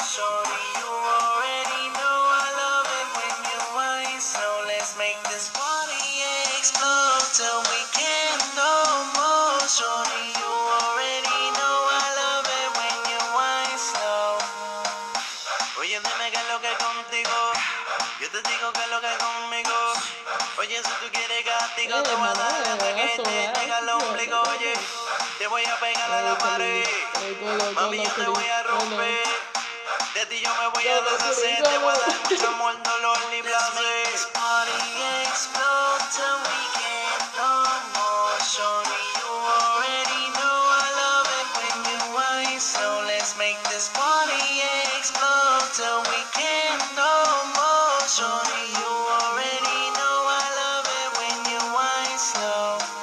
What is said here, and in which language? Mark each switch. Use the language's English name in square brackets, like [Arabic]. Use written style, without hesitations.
[English] Shorty, you already know I love it when you whine. So let's make this party explode till we can't go more. Shorty, you already know I love it when you whine slow. [Spanish] Oye, dime que lo que contigo. Yo te digo que lo que conmigo. Oye, si tú quieres castigo, te voy a dar hasta que te llega al ombligo, oye. Te voy a pegar a la pared. Mami, yo te voy a romper. De ti yo me voy a deshacer. Te voy a dar mucho amor, dolor, ni placer. [English] Let's make this party explode till we can't no more. Shorty, you already know I love it when you whine. So let's make this party explode till we can't no more. Shorty, you already know I love it when you whine slow.